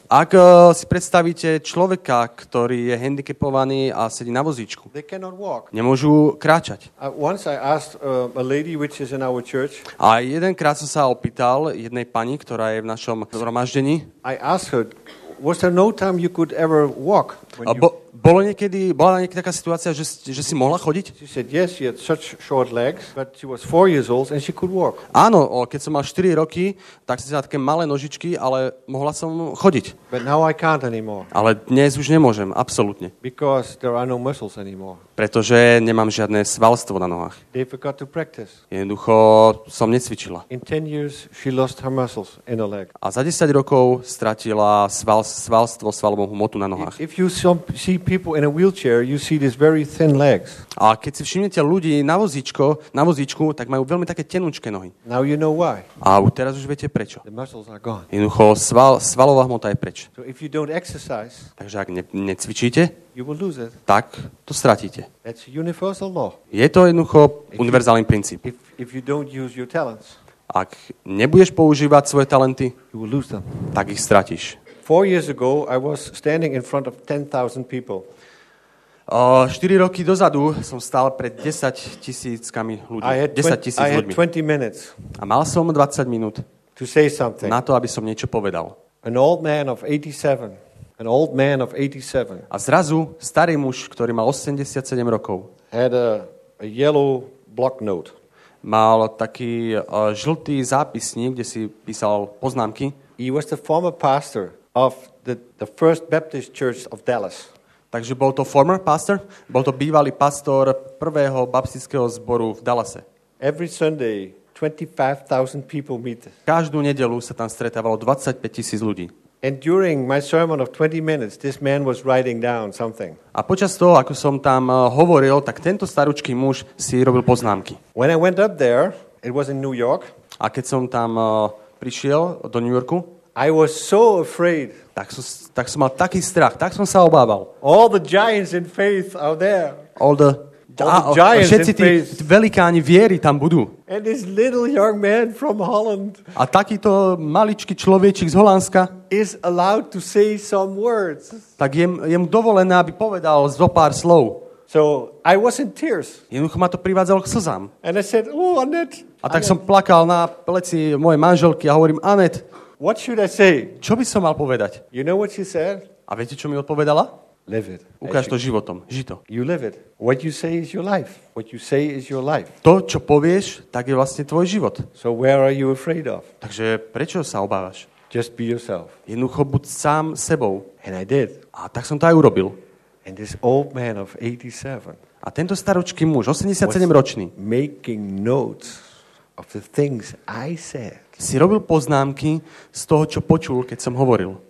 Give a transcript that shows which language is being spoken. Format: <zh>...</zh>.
<sk>ak si predstavíte človeka, ktorý je handicapovaný a sedí na vozíčku,</sk> <en>they cannot walk.</en> <sk>Nemôžu kráčať.</sk> <en>Once I asked a lady which is in our church,</en> <sk>a jedenkrát som sa opýtal jednej pani, ktorá je v našom zhromaždení,</sk> <en>I asked her, was there no time you could ever walk?</en> <sk>Bola niekedy taká situácia, že si mohla chodiť?</sk> <en>She said yes, she had such short legs, but she was 4 years old and she could walk.</en> <sk>Áno, keď som mal 4 roky, tak si mala také malé nožičky, ale mohla som chodiť.</sk> <en>But now I can't anymore.</en> <sk>Ale dnes už nemôžem, absolútne.</sk> <en>Because there are no muscles anymore.</en> <sk>Pretože nemám žiadne svalstvo na nohách.</sk> <en>They forgot to practice.</en> <sk>Jednoducho som necvičila.</sk> <en>In 10 years she lost her muscles in her leg.</en> <sk>A za 10 rokov stratila svalstvo, svalovú hmotu na nohách.</sk> <en>If you see people in a wheelchair, you see these very thin legs.</en> <sk>A keď si všimnete ľudí na vozíčku, tak majú veľmi také tenučké nohy.</sk> <en>Now you know why.</en> <sk>A teraz už viete prečo.</sk> <en>The muscles are gone.</en> <sk>Jednoducho svalová hmota je preč.</sk> <en>So if you don't exercise,</en> <sk>takže ak necvičíte,</sk> <en>you will lose it.</en> <sk>Tak to stratíte.</sk> <en>That's universal law.</en> <sk>Je to jednoducho univerzálny princíp.</sk> <en>If you don't use your talents,</en> <sk>ak nebudeš používať svoje talenty,</sk> <en>you will lose them.</en> <sk>Tak ich stratíš.</sk> <en>4 years ago I was standing in front of 10,000 people.</en> <sk>4 roky dozadu som stál pred 10,000 ľudí. 10,000 ľudí.</sk> <en>I had 20 minutes.</en> <sk>A mal som 20 minút.</sk> <en>To say something.</en> <sk>Na to, aby som niečo povedal.</sk> <en>An old man of 87. An old man of 87.</en> <sk>A zrazu starý muž, ktorý mal 87 rokov.</sk> <en>Had a yellow block note.</en> <sk>Mal taký žltý zápisník, kde si písal poznámky.</sk> <en>He was the former pastor of the First Baptist Church of Dallas.</en> <sk>Takže bol to</sk> <en>former pastor,</en> <sk>bol to bývalý pastor prvého baptistického zboru v Dallase.</sk> <en>Every Sunday 25,000 people meet.</en> <sk>Každú nedeľu sa tam stretávalo 25,000 ľudí.</sk> <en>And during my sermon of 20 minutes this man was writing down something.</en> <sk>A počas toho, ako som tam hovoril, tak tento staručký muž si robil poznámky.</sk> <en>When I went up there, it was in New York.</en> <sk>A keď som tam prišiel do New Yorku,</sk> <en>I was so afraid.</en> <sk>Tak som mal taký strach, tak som sa obával.</sk> <en>All the giants in faith are there.</en> <sk>Všetci tí velikáni viery tam budú.</sk> <en>And this little young man from Holland.</en> <sk>A takýto maličký človečik z Holandska</sk> <en>is allowed to say some words.</en> <sk>Tak je mu dovolené, aby povedal zo pár slov.</sk> <en>So I was in tears.</en> <sk>Jednoducho ma to privádzalo k slzám.</sk> <en>And I said, "Oh, Annette."</en> <sk>A tak som plakal na pleci mojej manželky a hovorím, Annette,</sk> <en>what should I say?</en> <sk>Čo by som mal povedať?</sk> <en>You know what she said?</en> <sk>A viete, čo mi odpovedala?</sk> <en>Live it.</en> <sk>Ukáž to životom. Ži to.</sk> <en>You live it. What you say is your life. What you say is your life.</en> <sk>To, čo povieš, tak je vlastne tvoj život.</sk> <en>So where are you afraid of?</en> <sk>Takže prečo sa obávaš?</sk> <en>Just be yourself.</en> <sk>Jednoducho buď sám sebou.</sk> <en>And I did.</en> <sk>A tak som to aj urobil.</sk> <en>And this old man of 87.</en> <sk>A tento staročký muž, 87 ročný.</sk> <en>Making notes of the things I said.</en> <sk>Si robil poznámky z toho, čo počul, keď som hovoril.</sk>